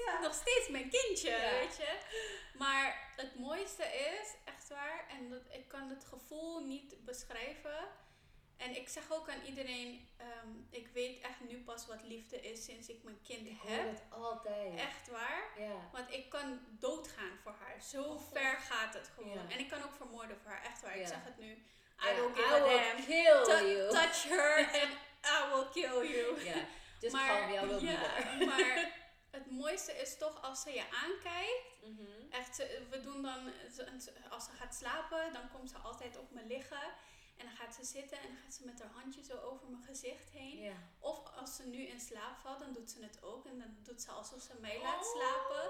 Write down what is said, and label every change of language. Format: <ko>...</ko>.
<nl>Nog steeds mijn kindje, weet je. Maar het mooiste is, echt waar, en ik kan het gevoel niet beschrijven. En ik zeg ook aan iedereen, ik weet echt nu pas wat liefde is sinds ik mijn kind heb. Ik hoor het altijd. Echt waar.</nl> <en>Yeah.</en> <nl>Want ik kan doodgaan voor haar. Zo ver gaat het gewoon. Yeah. En ik kan ook vermoorden voor haar. Echt waar. Yeah. Ik zeg het nu.</nl> <en>I will kill you. Touch her and I will kill you. Yeah. Just maar, call me, I will be there.</en> <nl>Maar het mooiste is toch als ze je aankijkt. Mm-hmm. Echt, we doen dan, als ze gaat slapen, dan komt ze altijd op me liggen. En dan gaat ze zitten en dan gaat ze met haar handje zo over mijn gezicht heen.</nl> <en>Yeah.</en> <nl>Of als ze nu in slaap valt, dan doet ze het ook. En dan doet ze alsof ze mij laat slapen.</nl>